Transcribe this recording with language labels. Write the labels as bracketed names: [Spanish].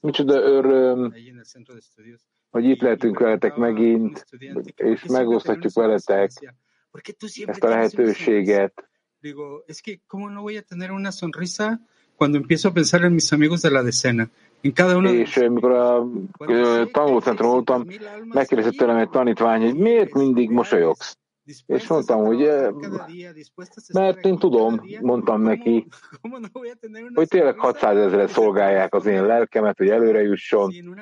[Hungarian] micsoda öröm, [Spanish] ahí en el centro de estudios, [Hungarian] hogy itt lehetünk veletek megint, és megosztatjuk veletek ezt a lehetőséget. [Spanish] Digo, es que cómo no voy a tener una sonrisa cuando empiezo a pensar en mis amigos de la decena. [Hungarian] És amikor a tanulócentrum voltam, megkérdezett tőlem egy tanítvány, hogy miért mindig mosolyogsz? És mondtam, hogy mert én tudom, mondtam neki, hogy tényleg 600 ezeren szolgálják az én lelkemet, hogy előre jusson.